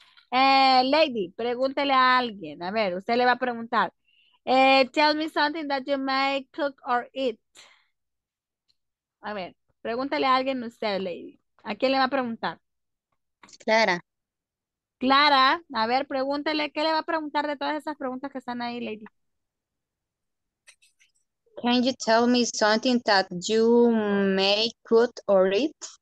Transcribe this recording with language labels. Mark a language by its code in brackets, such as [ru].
[es] Lady, pregúntele a alguien. A ver, usted le va a preguntar. [en] Tell me something that you may cook or eat. [es] A ver, pregúntele a alguien usted, lady. ¿A quién le va a preguntar? Clara. Clara, a ver, pregúntele. ¿Qué le va a preguntar de todas esas preguntas que están ahí, lady? [en] Can you tell me something that you may cook or eat?